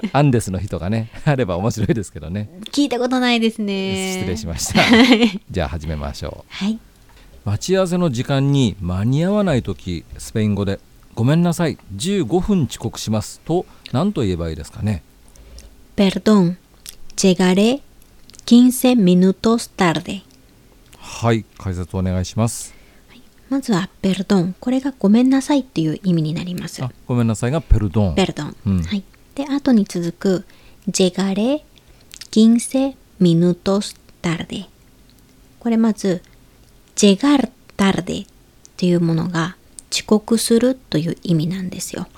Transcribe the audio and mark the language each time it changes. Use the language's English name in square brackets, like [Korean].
[Japanese] アンデスの日とかねあれば面白いですけどね。聞いたことないですね。失礼しましたじゃあ始めましょう。はい。待ち合わせの時間に間に合わないとき、スペイン語でごめんなさい、15分遅刻しますと何と言えばいいですかね。 [Spanish] Perdón, llegaré 15 minutos tarde。 [Japanese] はい、解説お願いします。まずは Perdón、 これがごめんなさいっていう意味になります。あ、ごめんなさいが Perdón。 Perdón、うん、はい、で後に続く [Spanish] llegaré 15 minutos tarde、 [Japanese] これまずジェガルタルデっていうものが遅刻するという意味なんですよ。